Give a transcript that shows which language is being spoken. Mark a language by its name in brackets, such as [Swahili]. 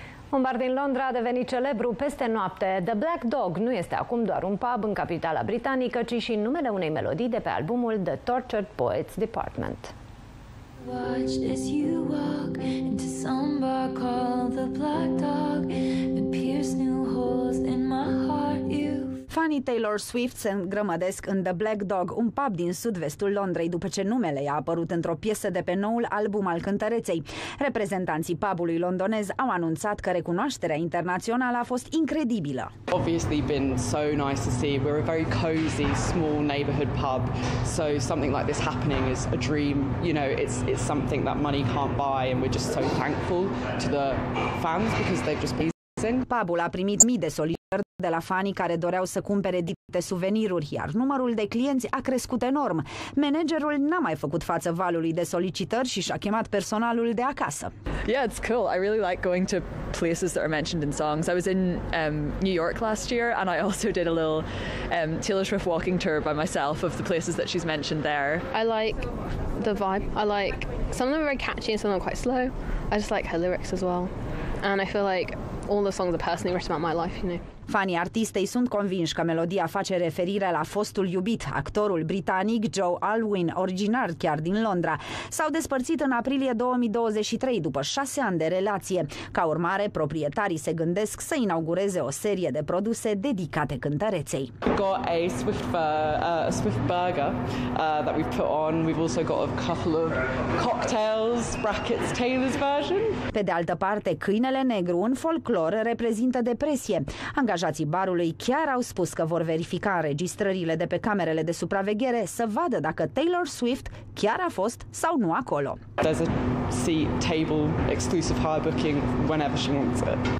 [Romanian] Un bar din Londra a devenit celebru peste noapte. The Black Dog nu este acum doar un pub în capitala britanică, ci și numele unei melodii de pe albumul The Tortured Poets Department. [English] Watched as you walk into some bar called The Black Dog and pierce new holes in my heart, you. [Romanian] Fanii Taylor Swift se îngrămădesc în The Black Dog, un pub din sud-vestul Londrei, după ce numele i-a apărut într-o piesă de pe noul album al cântăreței. Reprezentanții pubului londonez au anunțat că recunoașterea internațională a fost incredibilă. [English] Obviously been so nice to see. We're a very cozy small neighborhood pub. So something like this happening is a dream, you know, it's something that money can't buy and we're just so thankful to the fans because they've just been amazing. [Romanian] Pubul a primit mii de de la fanii care doreau să cumpere diferite suveniruri, iar numărul de clienți a crescut enorm. Managerul n-a mai făcut față valului de solicitări și și-a chemat personalul de acasă. [English] Yeah, it's cool. I really like going to places that are mentioned in songs. I was in New York last year and I also did a little Taylor Swift walking tour by myself of the places that she's mentioned there. I like the vibe. I like some of them are very catchy and some of them are quite slow. I just like her lyrics as well. And I feel like all the songs are personally written about my life, you know. [Romanian] Fanii artistei sunt convinși că melodia face referire la fostul iubit, actorul britanic Joe Alwyn, originar chiar din Londra. S-au despărțit în aprilie 2023, după 6 ani de relație. Ca urmare, proprietarii se gândesc să inaugureze o serie de produse dedicate cântăreței. [English] We've got a Swift burger that we've put on. We've also got a couple of cocktails, brackets, Taylor's version. [Romanian] Pe de altă parte, câinele negru în folclor reprezintă depresie. Angajații barului chiar au spus că vor verifica înregistrările de pe camerele de supraveghere să vadă dacă Taylor Swift chiar a fost sau nu acolo. [English] There's a seat table exclusive hire booking whenever she wants it.